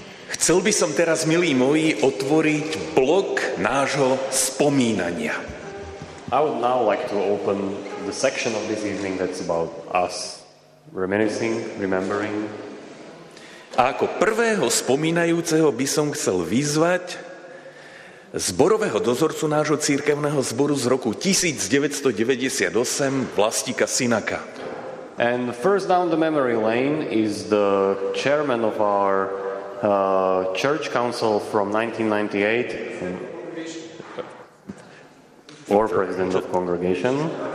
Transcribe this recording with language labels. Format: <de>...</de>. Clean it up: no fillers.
<sk>Chcel by som teraz, milí moji, otvoriť blok nášho spomínania.</sk> <en>I would now like to open the section of this evening that's about us reminiscing, remembering.</en> <sk>A ako prvého spomínajúceho by som chcel vyzvať zborového dozorcu nášho cirkevného zboru z roku 1998, Vlastika Sinaka.</sk> <en>And first down the memory lane is the chairman of our church council from 1998, or president of congregation.</en>